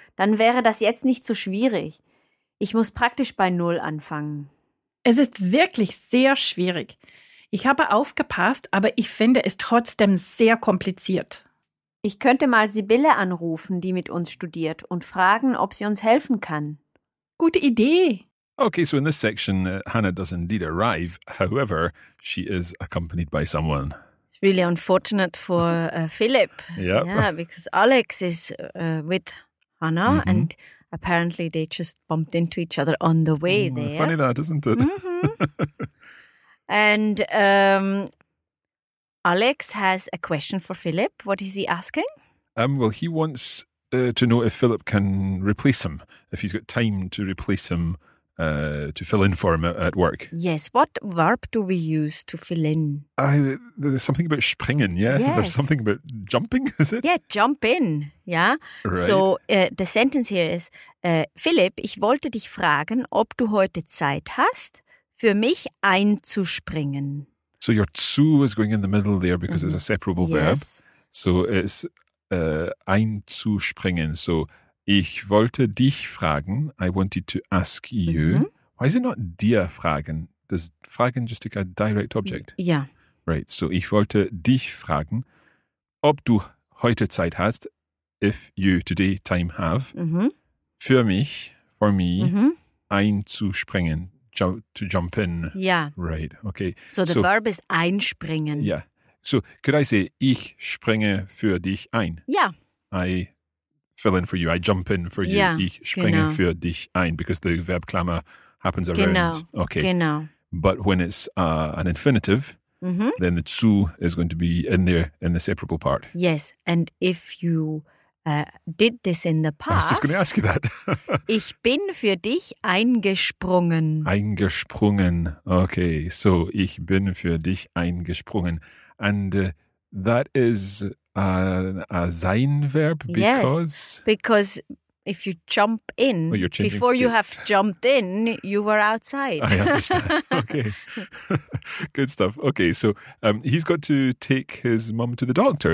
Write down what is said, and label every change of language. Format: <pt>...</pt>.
<de>Dann wäre das jetzt nicht so schwierig. Ich muss praktisch bei 0 anfangen. Es ist wirklich sehr schwierig. Ich habe aufgepasst, aber ich finde es trotzdem sehr kompliziert. Ich könnte mal Sibylle anrufen, die mit uns studiert, und fragen, ob sie uns helfen kann. Gute Idee.</de> <en>Okay, so in this section, Hannah does indeed arrive. However, she is accompanied by someone. It's really unfortunate for Philip. Yep. Yeah, because Alex is with Hannah, mm-hmm. and apparently they just bumped into each other on the way there. Funny that, isn't it? Mm-hmm. And Alex has a question for Philip. What is he asking? Well, he wants to know if Philip can replace him, if he's got time to replace him, to fill in for him at work. Yes. What verb do we use to fill in? There's something about springen, yeah? Yes. There's something about jumping, is it? Yeah, jump in, yeah? Right. So the sentence here is,</en> <de>Philip, ich wollte dich fragen, ob du heute Zeit hast, für mich einzuspringen.</de> <en>So your zu is going in the middle there because it's a separable yes. verb. So it's einzuspringen.</en> <de>So ich wollte dich fragen.</de> <en>I wanted to ask you. Mm-hmm. Why is it not</en> <de>dir fragen?</de> <en>Does fragen just take a direct object? Yeah. Right.</en> <de>So ich wollte dich fragen, ob du heute Zeit hast,</de> <en>if you today time have, mm-hmm.</en> <de>für mich,</de> <en>for me,</en> <de>mm-hmm. einzuspringen.</de> <en>To jump in. Yeah. Right. Okay. So the verb is einspringen. Yeah. So could I say,</en> <de>ich springe für dich ein?</de> <en>Yeah. I fill in for you. I jump in for you. Yeah.</en> <de>Ich springe genau. für dich ein,</de> <en>because the verb klammer happens</en> <de>genau.</de> <en>around. Okay.</en> <de>Genau.</de> <en>But when it's an infinitive, mm-hmm. then the zu is going to be in there in the separable part. Yes. And if you did this in the past. I was just going to ask you that.</en> <de>Ich bin für dich eingesprungen. Eingesprungen. Okay. So, ich bin für dich eingesprungen.</de> <en>And that is a sein verb because? Yes, because if you jump in, well, you're changing before state. You have jumped in, you were outside. I understand. Okay. Good stuff. Okay. So he's got to take his mum to the doctor.</en>